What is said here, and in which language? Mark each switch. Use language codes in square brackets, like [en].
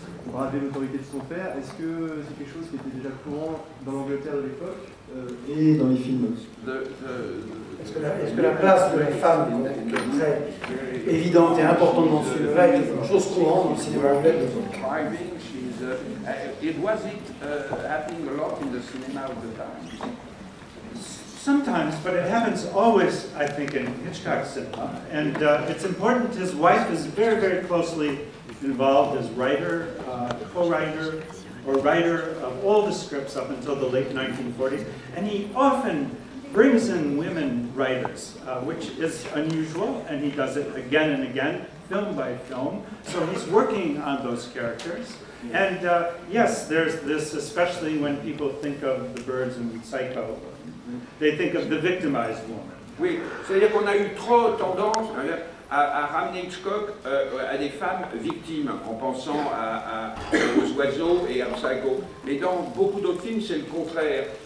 [fr] Braver l'autorité de son père, est-ce que c'est quelque chose qui était déjà courant dans l'Angleterre de l'époque et dans les films est-ce que la place de la femme est très évidente et importante dans ce film là est une chose courante dans le cinéma anglais de l'époque? [en] Happening a lot in the cinema of the time? Sometimes, but it happens always, I think, in Hitchcock's cinema. And it's important, his wife is very, very closely involved as writer, co-writer, or writer of all the scripts up until the late 1940s. And he often brings in women writers, which is unusual, and he does it again and again, film by film. So he's working on those characters. And yes, there's this, especially when people think of The Birds and Psycho, they think of the victimized woman. [fr] Oui, c'est-à-dire qu'on a eu trop tendance à ramener Hitchcock à des femmes victimes, en pensant aux oiseaux et à Psycho. Mais dans beaucoup d'autres films, c'est le contraire.